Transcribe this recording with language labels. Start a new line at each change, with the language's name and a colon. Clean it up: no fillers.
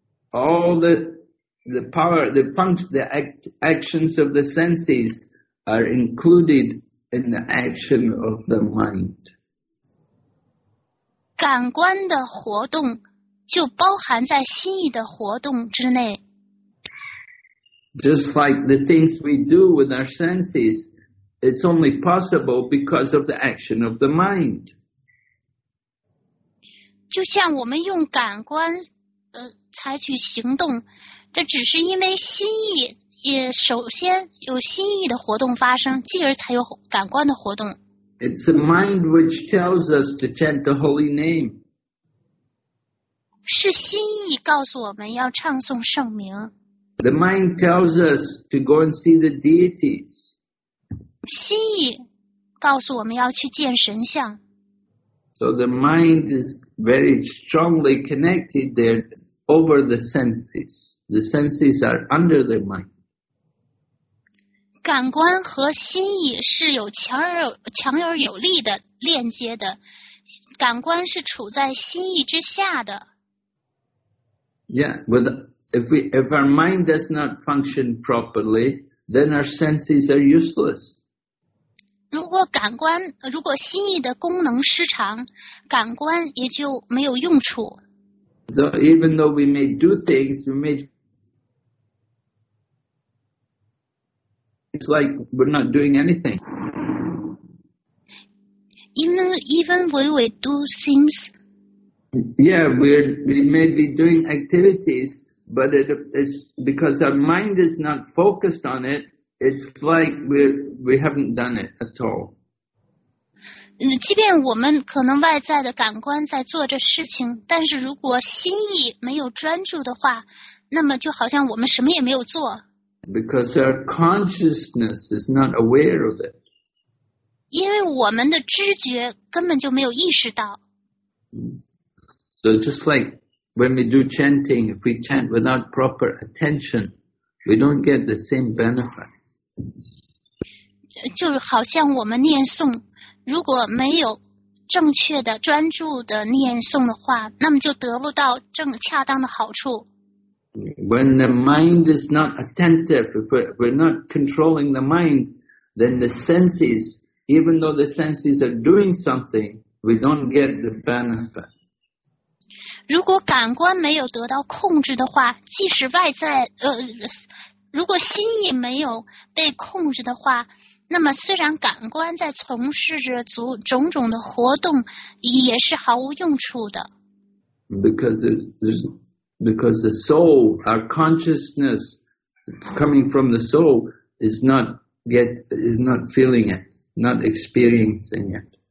English: All the power, the function, the actions of the senses are included in the action of the mind.
Chinese: 感官的活动就包含在心意的活动之内。
English: Just like the things we do with our senses, it's only possible because of the action of the mind.
Chinese: 就像我们用感官采取行动，这只是因为心意，也首先有心意的活动发生，继而才有感官的活动。
English: It's the mind which tells us to chant the holy name.
Chinese: 是心意告诉我们要唱诵圣名。
English: The mind tells us to go and see the deities.
Chinese: 心意告诉我们要去见神像。
English: So the mind is very strongly connected. They're over the senses. The senses are under the mind.
Chinese: 感官和心意是有强而有力的链接的。感官是处在心意之下的。
English: Yeah, but if our mind does not function properly, then our senses are useless.
Chinese: 如果感官，如果心意的功能失常，感官也就没有用处。
English: So even though we may do things, we may, it's like we're not doing anything. Even when we do things, yeah, we may be doing activities, but it's because our mind is not focused on it, it's like we haven't done it at all.
Chinese: 即便我们可能外在的感官在做着事情，但是如果心意没有专注的话，那么就好像我们什么也没有做。
English: Because our consciousness is not aware of it.
Chinese: 因为我们的知觉根本就没有意识到。
English: So just like when we do chanting, if we chant without proper attention, we don't get the same benefit.
Chinese: 就好像我们念诵，如果没有正确的专注的念诵的话，那么就得不到正恰当的好处。
English: When the mind is not attentive, if we're not controlling the mind, then the senses, even though the senses are doing something, we don't get the benefit.
Chinese: 如果感官没有得到控制的话，即使外在如果心意没有被控制的话，那么虽然感官在从事着种种的活动，也是毫无用处的。
English: Because the soul, our consciousness coming from the soul is not feeling it, not experiencing it.